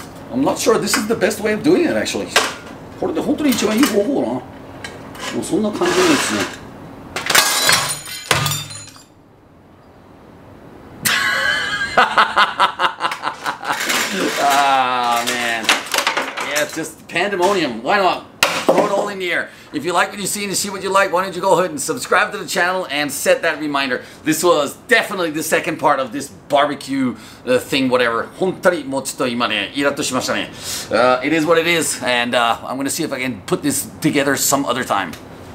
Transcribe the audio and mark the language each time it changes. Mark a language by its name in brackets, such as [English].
[English] I'm not sure this is the best way of doing it, actually. [Japanese] これで本当に一番いい方法な。もうそんな感じですね。 [English] Ah, man. Yeah, it's just pandemonium. Why not? Throw it all in the air. If you like what you see and you see what you like, why don't you go ahead and subscribe to the channel and set that reminder. This was definitely the second part of this barbecue thing, whatever. [Japanese] 本当にもうちょっと今ね、イラッとしましたね。 [English] It is what it is, and I'm going to see if I can put this together some other time.